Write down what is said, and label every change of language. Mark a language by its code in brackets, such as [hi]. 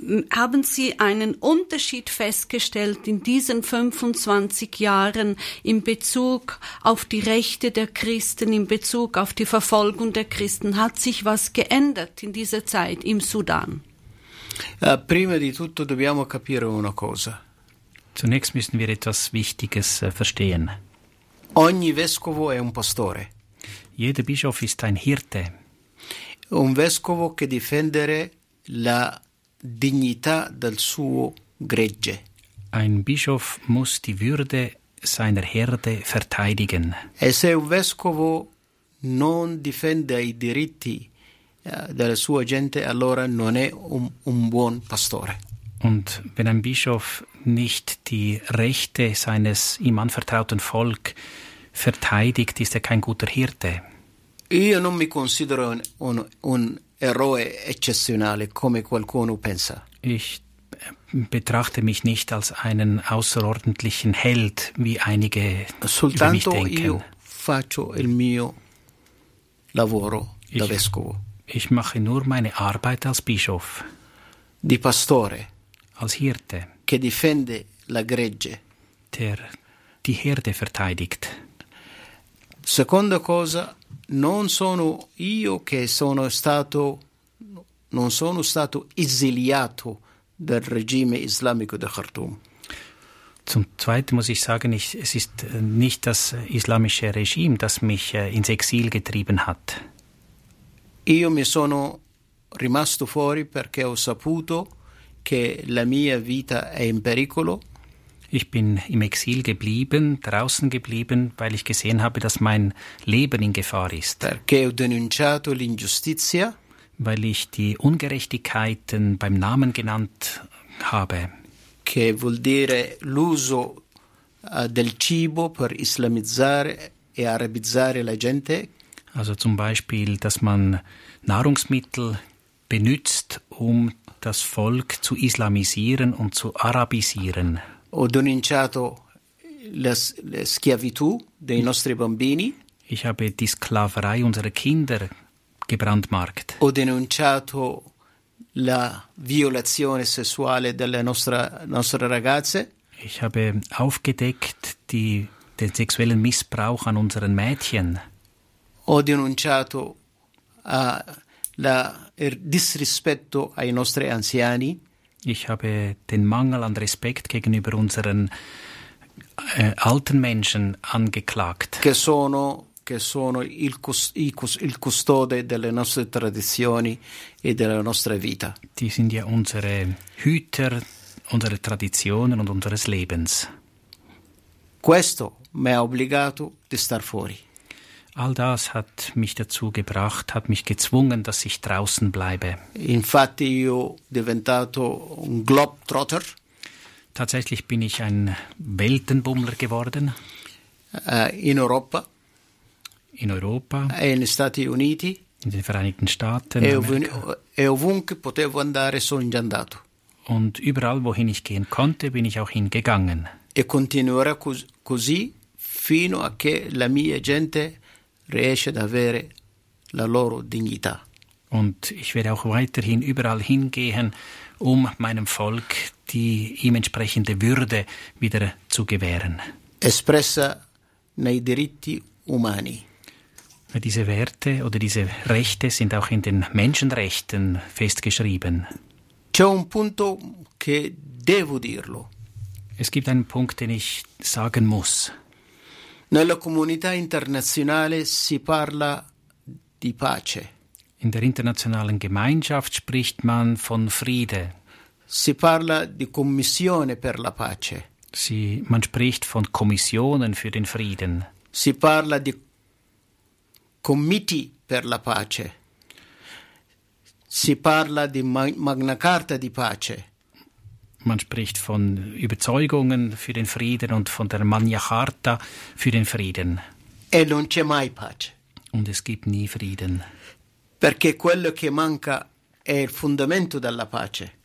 [de] Haben Sie einen Unterschied festgestellt in diesen 25 Jahren in Bezug auf die Rechte der Christen, in Bezug auf die Verfolgung der Christen? Hat sich was geändert in dieser Zeit im Sudan? [it] Prima di tutto dobbiamo capire una cosa. [de] Zunächst müssen wir etwas Wichtiges verstehen. [it] Ogni vescovo è un pastore. [de] Jeder Bischof ist ein Hirte. [it] Un vescovo che difendere la dignità del suo gregge. [de] Ein Bischof muss die Würde seiner Herde verteidigen. [it] E se un vescovo non difende i diritti della sua gente, allora non è un buon pastore. [de] Und wenn ein Bischof nicht die Rechte seines ihm anvertrauten Volk verteidigt, ist er kein guter Hirte. [it] Io non mi considero un eroe eccezionale, come qualcuno pensa. [de] Ich betrachte mich nicht als einen außerordentlichen Held, wie einige über mich denken. [it] Soltanto io faccio il mio lavoro da vescovo. [de] Ich mache nur meine Arbeit als Bischof. [it] Di pastore. [de] Als Hirte. [it] Che difende la gregge. [de] Der die Herde verteidigt. [it] Seconda cosa. Non sono io che sono stato, non sono stato esiliato dal regime islamico di Khartoum. [de] Zum Zweiten muss ich sagen, es ist nicht das islamische Regime, das mich ins Exil getrieben hat. [it] Io mi sono rimasto fuori perché ho saputo che la mia vita è in pericolo. [de] Ich bin im Exil geblieben, draußen geblieben, weil ich gesehen habe, dass mein Leben in Gefahr ist. [it] Perché ho denunciato l'ingiustizia. [de] Weil ich die Ungerechtigkeiten beim Namen genannt habe. [it] Che vuol dire l'uso del cibo per islamizzare e arabizzare la gente. [de] Also zum Beispiel, dass man Nahrungsmittel benutzt, um das Volk zu islamisieren und zu arabisieren. [it] Ho denunciato la schiavitù dei nostri bambini. [de] Ich habe die Sklaverei unserer Kinder gebrandmarkt. [it] Ho denunciato la violazione sessuale delle nostre ragazze. [de] Ich habe aufgedeckt den sexuellen Missbrauch an unseren Mädchen. [it] Ho denunciato il disrispetto ai nostri anziani. [de] Ich habe den Mangel an Respekt gegenüber unseren alten Menschen angeklagt. [it] Che sono il custode delle nostre tradizioni e della nostra vita. [de] Die sind ja unsere Hüter, unsere Traditionen und unseres Lebens. [it] Questo mi ha obbligato di star fuori. [de] All das hat mich dazu gebracht, hat mich gezwungen, dass ich draußen bleibe. [it] Infatti io diventato un globetrotter. [de] Tatsächlich bin ich ein Weltenbummler geworden. [it] In Europa. [de] In Europa. [it] In Stati Uniti. [de] In den Vereinigten Staaten. [it] E ovunque potevo andare sono già andato. [de] Und überall, wohin ich gehen konnte, bin ich auch hingegangen. [it] E continuerò così fino a che la mia gente riesce ad avere la loro dignità. [de] Und ich werde auch weiterhin überall hingehen, um meinem Volk die ihm entsprechende Würde wieder zu gewähren. [it] Espressa nei diritti umani. [de] Diese Werte oder diese Rechte sind auch in den Menschenrechten festgeschrieben. [it] C'è un punto che devo dirlo. [de] Es gibt einen Punkt, den ich sagen muss. [it] Nella comunità internazionale si parla di pace. [de] In der internationalen Gemeinschaft spricht man von Friede. [it] Si parla di commissione per la pace. Man spricht von Kommissionen für den Frieden. Si parla di committee per la pace. Si parla di Magna Carta di pace. [de] Man spricht von Überzeugungen für den Frieden und von der Magna Charta für den Frieden. [it] E non c'è mai pace. [de] Und es gibt nie Frieden. [it] Perché quello che manca è il fondamento della pace.